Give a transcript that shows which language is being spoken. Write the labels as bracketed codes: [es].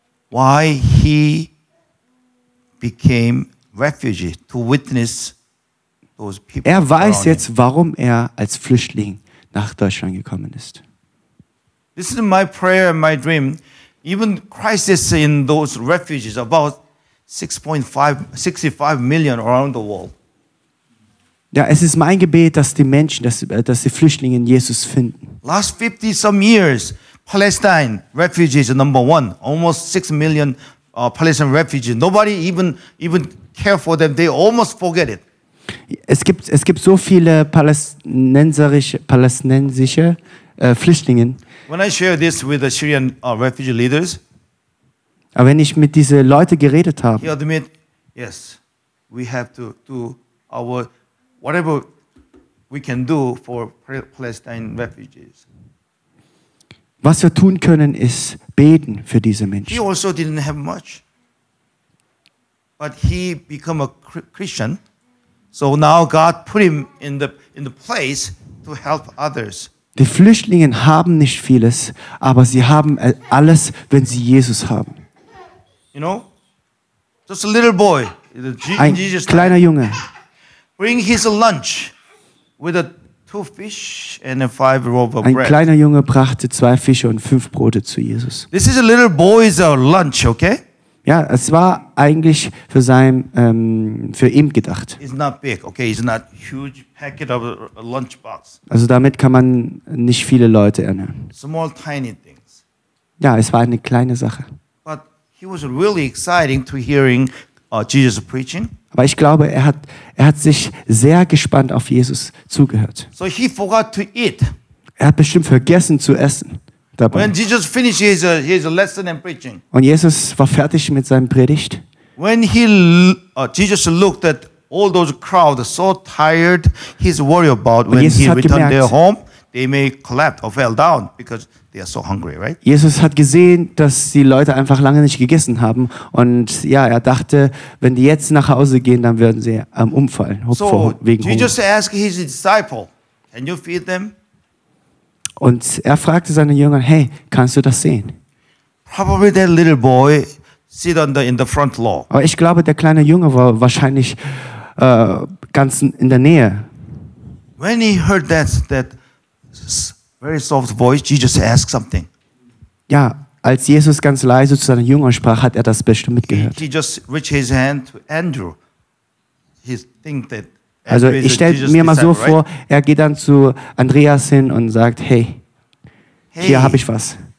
[en] Why he became refugee to witness those people. [de] Er weiß jetzt, warum er als Flüchtling nach Deutschland gekommen ist. [en] This is my prayer and my dream. Even crisis in those refugees, about 65 million around the world. [de] Ja, es ist mein Gebet, dass die Menschen, dass die Flüchtlinge Jesus finden. [en] Last 50 some years, Palestine refugees are number one, almost 6 million Palestinian refugees. Nobody even care for them. They almost forget it. [de] Es gibt so viele palästinensische Flüchtlinge. [en] When I share this with the Syrian refugee leaders, [de] aber wenn ich mit diese Leute geredet habe, [en] he admit, yes, we have to do our whatever we can do for Palestine refugees. [de] Was wir tun können, ist beten für diese Menschen. [en] He also didn't have much, but he become a Christian. So now God put him in the place to help others. [de] Die Flüchtlinge haben nicht vieles, aber sie haben alles, wenn sie Jesus haben. [en] You know, just a little boy, [de] Jesus, kleiner Junge. [en] Bring his lunch with a two fish and a five loaves of bread. [de] Ein kleiner Junge brachte zwei Fische und fünf Brote zu Jesus. [en] This is a little boy's lunch, okay? [de] Ja, es war eigentlich für sein für ihn gedacht. [en] It's not big, okay? It's not huge packet of a lunchbox. [de] Also damit kann man nicht viele Leute ernähren. [en] Small tiny things. [de] Ja, es war eine kleine Sache. [en] But he was really exciting to hearing Jesus preaching. [de] Aber ich glaube, er hat sich sehr gespannt auf Jesus zugehört. [en] So he forgot to eat. [de] Er hat bestimmt vergessen zu essen dabei. [en] When Jesus finished his lesson and preaching. [de] Und Jesus war fertig mit seinem Predigt. [en] When he Jesus looked at all those crowds so tired, he's worried about when Jesus he returned their home, they may collapse or fell down because they are so hungry, right? [de] Jesus hat gesehen, dass die Leute einfach lange nicht gegessen haben und ja, er dachte, wenn die jetzt nach Hause gehen, dann würden sie umfallen wegen Hunger. [en] So Jesus asked his disciple, can you feed them? [de] Und er fragte seine Jünger, hey, kannst du das sehen? [en] Probably that little boy sit on the in the front row. [de] Aber ich glaube, der kleine Junge war wahrscheinlich ganz in der Nähe. [en] When he heard that very soft voice, Jesus asked something. [de] Ja, als Jesus ganz leise zu seinen Jüngern sprach, hat er das bestimmt mitgehört. [en] He just reached his hand to Andrew. He think that. [de] Also ich stelle mir mal so vor, er geht dann zu Andreas hin und sagt, hey, hier habe ich was.